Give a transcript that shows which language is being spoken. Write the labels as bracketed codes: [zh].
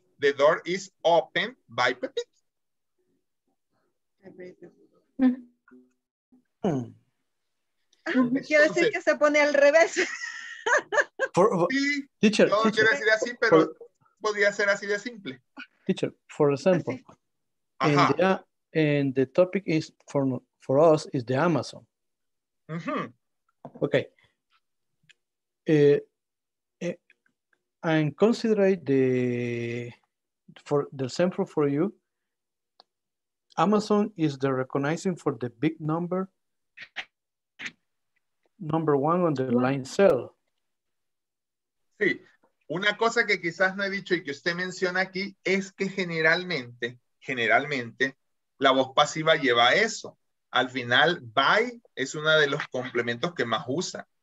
[en] The door is opened by Pepito. [es] Quiere decir que se pone al revés. [en] For, [es] sí, teacher, no quiero decir así, pero podría ser así de simple. [en] Teacher, for example, and the topic is for us is the Amazon. Mm-hmm. Okay. And consider the for the example for you. Amazon is the recognizing for the big number, number one on the line cell. [es] Sí, una cosa que quizás no he dicho y que usted menciona aquí es que generalmente, la voz pasiva lleva eso. Al final, by es uno de los complementos que más usa.